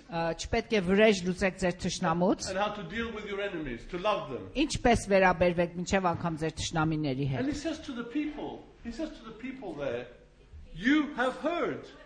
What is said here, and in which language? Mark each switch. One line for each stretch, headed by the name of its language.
Armenian: չպետք է վրեժ լուծեք ձեր թշնամուց,
English: and how to deal with your enemies, to love them.
Armenian: Ինչպես վերաբերվեք մինչև անգամ ձեր թշնամիների հետ.
English: And he says to the people there, you have heard.